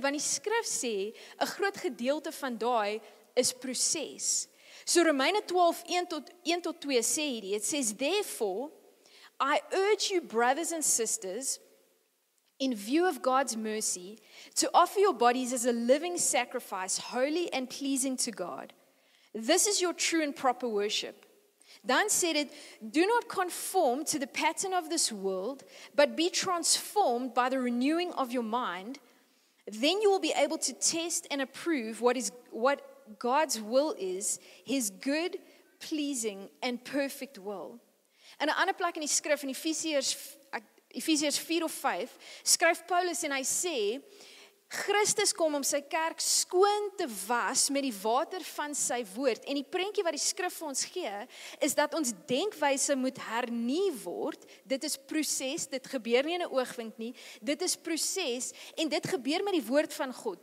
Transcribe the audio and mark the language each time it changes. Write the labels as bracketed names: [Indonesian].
[Afrikaans] Want die skrif sê, 'n groot gedeelte van daai is proses. So Romeine 12:1-2 sê hierdie, [English] it says, therefore, I urge you brothers and sisters, in view of God's mercy, to offer your bodies as a living sacrifice, holy and pleasing to God. This is your true and proper worship. Dan said it, do not conform to the pattern of this world, but be transformed by the renewing of your mind. Then you will be able to test and approve what God's will is, His good, pleasing, and perfect will. [Afrikaans] En 'n ander plek in die skrif, in Efesiërs 4 of 5, skryf Paulus en hy sê, Christus kom om sy kerk skoon te was met die water van sy woord. En die prentjie wat die skrif vir ons gee, is dat ons denkwyse moet hernie word. Dit is proses, dit gebeur nie in 'n oogwink nie. Dit is proses en dit gebeur met die woord van God.